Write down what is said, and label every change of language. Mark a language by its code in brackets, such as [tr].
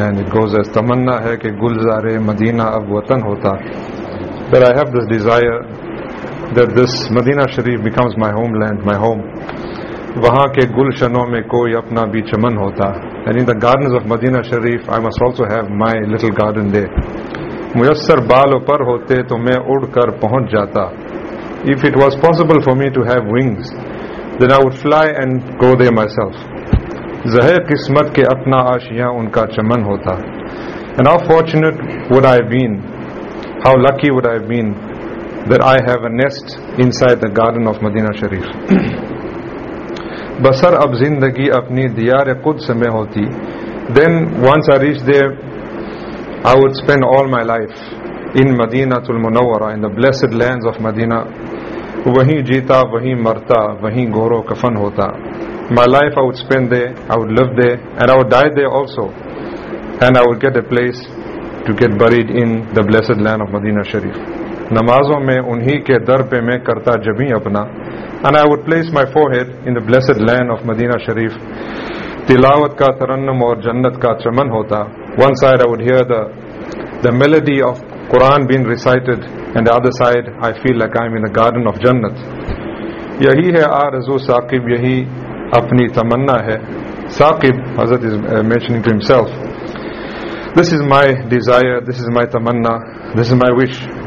[en] And it goes as, [ur] تمنا ہے کہ گلزار مدینہ اب وطن ہوتا. [en] But I have this desire that this Medina Sharif becomes my homeland, my home. [ur] وہاں کے گلشنوں میں کوئی اپنا بھی چمن ہوتا. [en] And in the gardens of Medina Sharif, I must also have my little garden there. [ur] میسر بالوں پر ہوتے تو میں اڑ کر پہنچ جاتا. [en] If it was possible for me to have wings, then I would fly and go there myself. [ur] زہر قسمت کے اپنا آشیاں ان کا چمن ہوتا. [en] And how fortunate would I have been, how lucky would I have been that I have a nest inside the garden of Medina Sharif. [ur] بسر اب زندگی اپنی دیار قدس میں ہوتی. [en] Then once I reached there, I would spend all my life in Madinatul Munawwara, in the blessed lands of Medina. [ur] وہی جیتا وہی مرتا وہی گور و کفن ہوتا. [en] My life I would spend there, I would live there, and I would die there also. And I would get a place to get buried in the blessed land of Medina Sharif. [ur] نمازوں میں انہی کے در پہ میں کرتا جبیں اپنا. [en] And I would place my forehead in the blessed land of Medina Sharif. [ur] تلاوت کا ترنم اور جنت کا چمن ہوتا. [en] One side I would hear the melody of Quran being recited, and the other side I feel like I'm in the garden of Jannat. [ur] یہی ہے آرزو ثاقب یہی اپنی تمنا ہے. [en] Saqib, Hazrat is mentioning to himself, this is my desire, this is my tamanna, this is my wish.